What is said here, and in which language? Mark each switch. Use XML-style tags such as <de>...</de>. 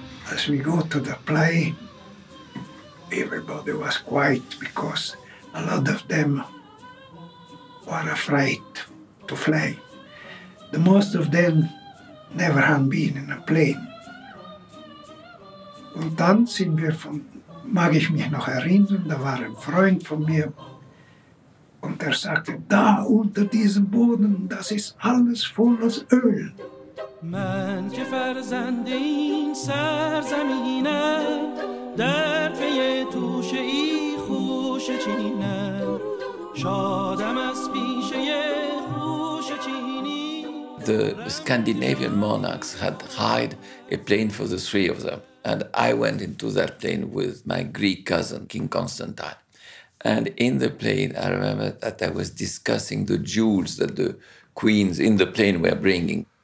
<en>As we go to the play, everybody was quiet because a lot of them were afraid to fly. The most of them never had been in a plane.</en> <de>Und dann sind wir von, mag ich mich noch erinnern, da war ein Freund von mir, und sagte, da unter diesem Boden, das ist alles volles Öl.</de> <fa>من که فرزند این سرزمینم در پی توشه ای خوش چینم شادم از پیشه خوش چینی.</fa> <en>The Scandinavian monarchs had hired a plane for the three of them, and I went into that plane with my Greek cousin, King Constantine. And in the plane, I remember that I was discussing the jewels that the queens in the plane were bringing.</en>